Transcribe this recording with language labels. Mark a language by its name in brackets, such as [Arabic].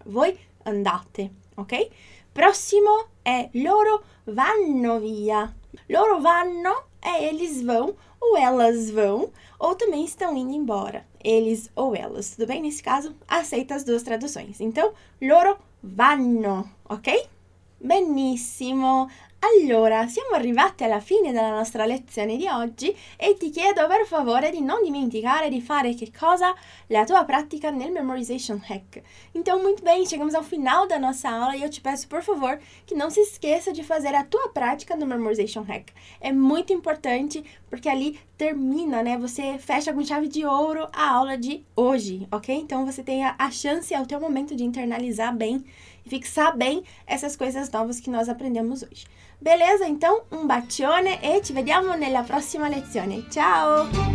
[Italian] Voi andate, ok? [Portuguese] Próximo é [Italian] loro vanno via. Loro vanno [Portuguese] é eles vão ou elas vão ou também estão indo embora. Eles ou elas, tudo bem? Nesse caso, aceita as duas traduções. Então, [Italian] loro vanno, [Portuguese] ok? Benissimo. [Italian] Allora, siamo arrivati alla fine della nostra lezione di oggi e ti chiedo per favore di non dimenticare di fare che cosa? La tua pratica nel memorization hack. [Portuguese] Então, muito bem, chegamos ao final da nossa aula e eu te peço, por favor, que não se esqueça de fazer a tua prática no memorization hack. É muito importante porque ali termina, né? Você fecha com chave de ouro a aula de hoje, ok? Então, você tem a chance, é o teu momento de internalizar bem e fixar bem essas coisas novas que nós aprendemos hoje. Beleza? Então, um bacione [Italian] e ci vediamo nella prossima lezione. [Portuguese] Ciao!